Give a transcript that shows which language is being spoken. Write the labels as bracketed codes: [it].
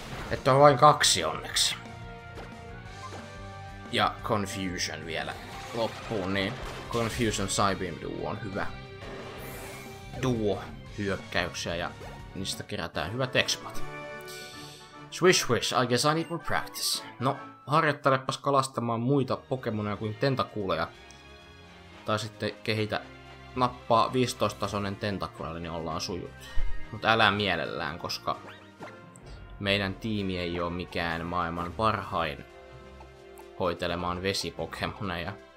[fi] Että on vain kaksi onneksi. Ja Confusion vielä loppuun, niin Confusion Psybeam Duo on hyvä duo hyökkäyksiä ja niistä kerätään hyvät expat. [en] Swish swish, I guess I need more practice. [fi] No, harjoittelepas kalastamaan muita Pokemonia kuin tentakuuleja. Tai sitten kehitä nappaa 15-tasoinen tentakuuleja, niin ollaan sujut. Mut älä mielellään, koska meidän tiimi ei ole mikään maailman parhain hoitelemaan vesipokemoneja.